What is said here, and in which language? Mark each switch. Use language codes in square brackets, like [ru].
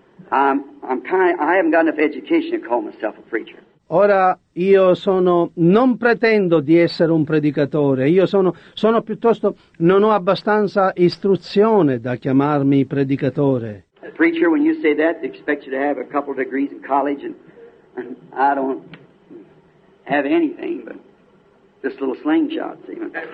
[en] I haven't got enough education to call myself a preacher. [it] Ora io sono, non pretendo di essere un predicatore, io sono piuttosto, non ho abbastanza istruzione da chiamarmi predicatore. [en] A preacher, when you say that, they expect you to have a couple of degrees in college, and I don't have anything but this little slingshot, even.